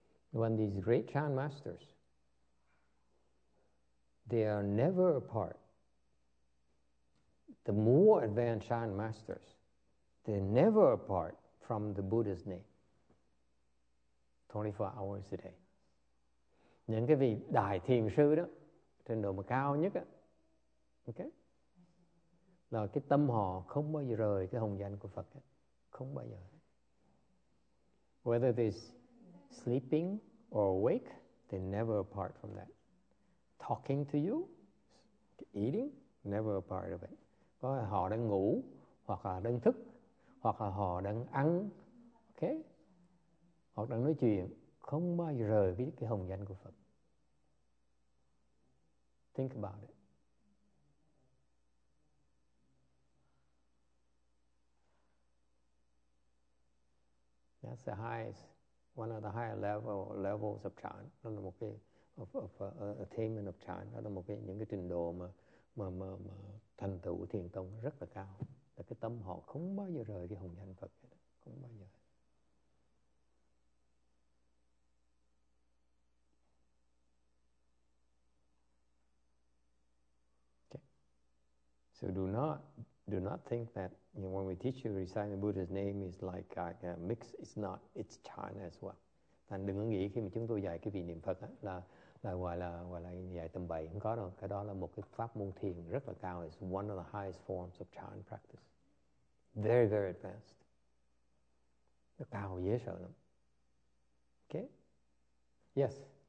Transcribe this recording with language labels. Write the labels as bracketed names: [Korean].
[English] When these great Chan masters, they are never apart. The more advanced Chan masters, they're never apart from the Buddha's name. 24 hours a day. [Vietnamese] Những cái vị đại thiền sư đó, trình độ mà cao nhất á, okay, là cái tâm họ không bao giờ rời cái hồng danh của Phật á, không bao giờ. [English] Whether they're sleeping or awake, they're never apart from that. Talking to you, eating, never apart of it. [Vietnamese] Có họ đang ngủ, hoặc là đang thức, hoặc là họ đang ăn, okay? Hoặc đang nói chuyện, không bao giờ rời cái hồng danh của Phật. [English] Think about it. That's the highest. One of the higher levels of chan, [Vietnamese] đó là một cái [English] of attainment of chan, [Vietnamese] đó là một cái những cái trình độ mà thành tựu của thiền tông rất là cao, là cái tâm họ không bao giờ rời cái hồng danh Phật, không bao giờ. [English] Okay. So do not think that, you know, when we teach you to recite the Buddha's name is like a mix. It's not. It's chan as well. [Vietnamese] Thành đừng có nghĩ khi mà chúng tôi dạy cái vị niệm Phật á, là gọi là dạy tầm bậy, không có đâu. Cái đó là một cái pháp môn thiền rất là cao. [English] It's one of the highest forms of chan practice. Very, very advanced. [Vietnamese] Nó cao dễ sợ lắm. Okay? Yes?